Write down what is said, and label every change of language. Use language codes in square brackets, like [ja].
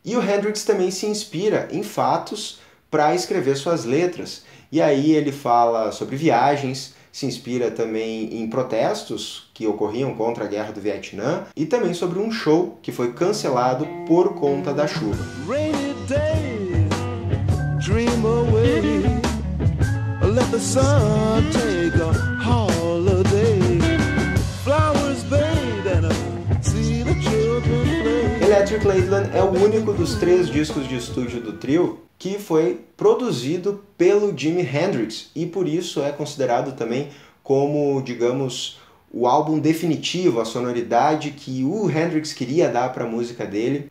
[pt] E o Hendrix também se inspira em fatos para escrever suas letras. E aí ele fala sobre viagens, se inspira também em protestos que ocorriam contra a Guerra do Vietnã, e também sobre um show que foi cancelado por conta da chuva. [en] Rainy day, dream away. Let the sun take a holiday. Flowers bathe and see the children play. [pt] Electric Ladyland é o único dos três discos de estúdio do trio que foi produzido pelo Jimi Hendrix e por isso é considerado também como, digamos, o álbum definitivo, a sonoridade que o Hendrix queria dar para a música dele.